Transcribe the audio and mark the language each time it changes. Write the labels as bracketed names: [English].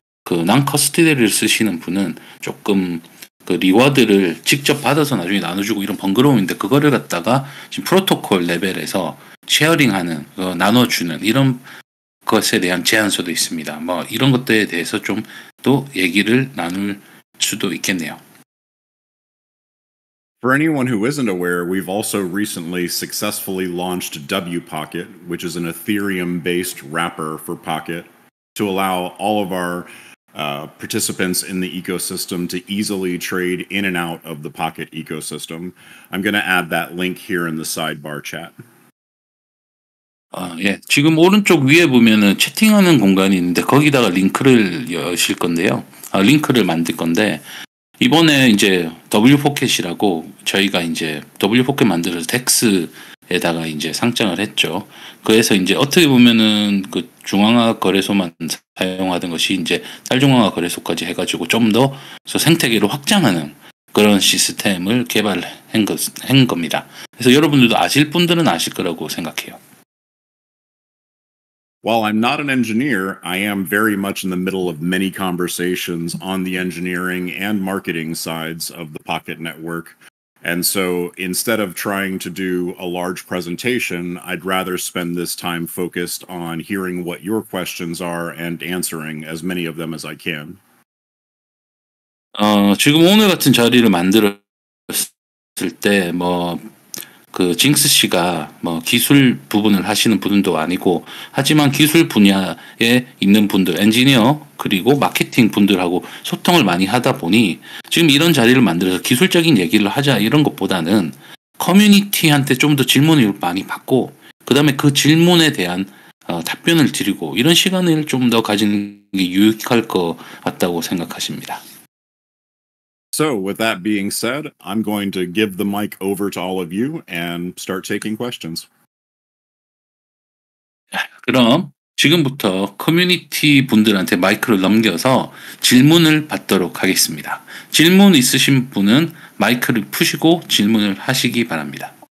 [Korean] 그 non-custodial을 쓰시는 분은 조금 그 리워드를 직접 받아서 나중에 나눠주고 이런 번거로움인데 그거를 갖다가 지금 프로토콜 레벨에서 쉐어링하는, 나눠주는 이런 것에 대한 제안서도 있습니다. 뭐 이런 것들에 대해서 좀 또 얘기를 나눌 수도 있겠네요. [English] For anyone who isn't aware, we've also recently successfully launched WPocket, which is an Ethereum-based wrapper for Pocket, to allow all of our participants in the ecosystem to easily trade in and out of the Pocket ecosystem. I'm going to add that link here in the sidebar chat. [Korean] 예. 지금 오른쪽 위에 보면은 채팅하는 공간이 있는데 거기다가 링크를 여실 건데요. 링크를 만들 건데 이번에 이제 WPocket이라고 저희가 이제 WPocket 만들어서 DEX에다가 이제 상장을 했죠. 그래서 이제 어떻게 보면은 그 중앙화학 거래소만 사용하던 것이 이제 탈중앙화 거래소까지 해가지고 좀 더 생태계를 확장하는 그런 시스템을 개발한 한 겁니다. 그래서 여러분들도 아실 분들은 아실 거라고 생각해요. [English] While I'm not an engineer, I am very much in the middle of many conversations on the engineering and marketing sides of the Pocket Network. And so instead of trying to do a large presentation, I'd rather spend this time focused on hearing what your questions are and answering as many of them as I can. [Korean] 지금 오늘 같은 자리를 만들었을 때 뭐 그 징스 씨가 뭐 기술 부분을 하시는 분도 아니고 하지만 기술 분야에 있는 분들 엔지니어 그리고 마케팅 분들하고 소통을 많이 하다 보니 지금 이런 자리를 만들어서 기술적인 얘기를 하자 이런 것보다는 커뮤니티한테 좀 더 질문을 많이 받고 그 다음에 그 질문에 대한 답변을 드리고 이런 시간을 좀 더 가지는 게 유익할 것 같다고 생각하십니다. [English] So with that being said, I'm going to give the mic over to all of you and start taking questions. [Korean] 그럼 지금부터 커뮤니티 분들한테 마이크를 넘겨서 질문을 받도록 하겠습니다. 질문 있으신 분은 마이크를 푸시고 질문을 하시기 바랍니다.